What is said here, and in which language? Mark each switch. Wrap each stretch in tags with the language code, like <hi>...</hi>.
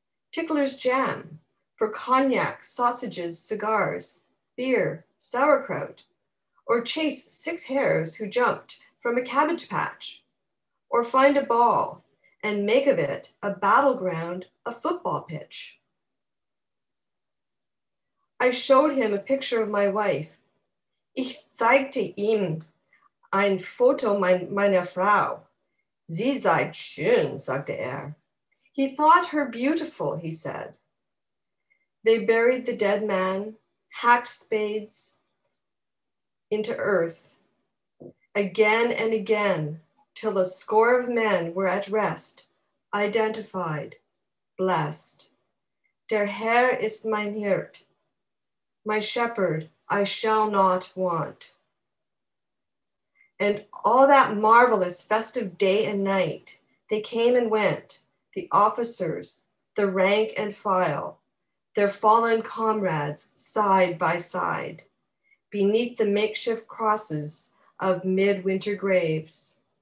<en>tickler's jam, for cognac, sausages, cigars, beer, sauerkraut, or chase six hares who jumped from a cabbage patch, or find a ball and make of it a battleground, a football pitch. I showed him a picture of my wife.</en> <de>Ich zeigte ihm ein Foto meiner Frau. Sie sei schön, sagte er.</de> <en>He thought her beautiful, he said. They buried the dead man, hacked spades into earth again and again, till a score of men were at rest, identified, blessed.</en> <de>Der Herr ist mein Hirt,</de> <en>my shepherd I shall not want. And all that marvelous festive day and night, they came and went, the officers, the rank and file, their fallen comrades side by side, beneath the makeshift crosses of midwinter graves,</en>